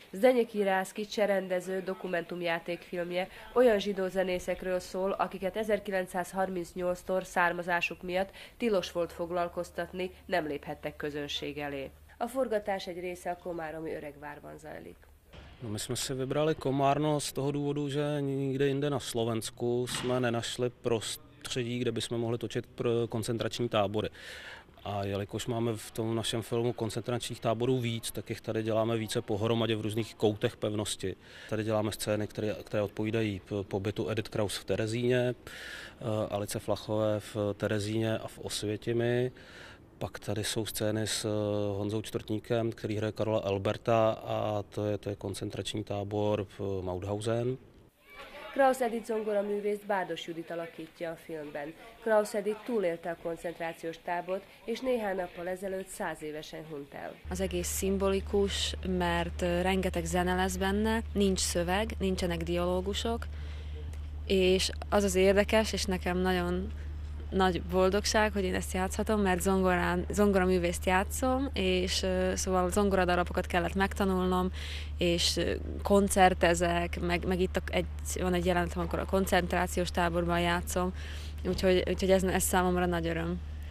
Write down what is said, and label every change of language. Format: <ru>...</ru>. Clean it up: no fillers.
<hu>Zdenyek Irászki cserendező dokumentumjátékfilmje olyan zsidó zenészekről szól, akiket 1938-tól származásuk miatt tilos volt foglalkoztatni, nem léphettek közönség elé. A forgatás egy része a komáromi Öregvárban zajlik.</hu> <cs>No, my jsme si vybrali Komárno z toho důvodu, že nikde jinde na Slovensku jsme nenašli prostředí, kde bychom mohli točit pro koncentrační tábory. A jelikož máme v tom našem filmu koncentračních táborů víc, tak jich tady děláme více pohromadě v různých koutech pevnosti. Tady děláme scény, které odpovídají pobytu Edith Kraus v Terezíně, Alice Flachové v Terezíně a v Osvětimi. Pak tady jsou scény s Honzou Čtvrtníkem, který hraje Karola Alberta, a to je koncentrační tábor v Mauthausen.</cs> <hu>Krausz Edith zongora művészt Bárdos Judit alakítja a filmben. Krausz Edith túlélte a koncentrációs tábort, és néhány nappal ezelőtt 100 évesen hunyt el. Az egész szimbolikus, mert rengeteg zene lesz benne, nincs szöveg, nincsenek dialógusok, és az az érdekes, és nekem nagyon nagy boldogság, hogy én ezt játszhatom, mert zongora művészt játszom, és szóval zongoradarabokat kellett megtanulnom, és koncertezek, meg itt van egy jelenet, amikor a koncentrációs táborban játszom, úgyhogy ez számomra nagy öröm.</hu>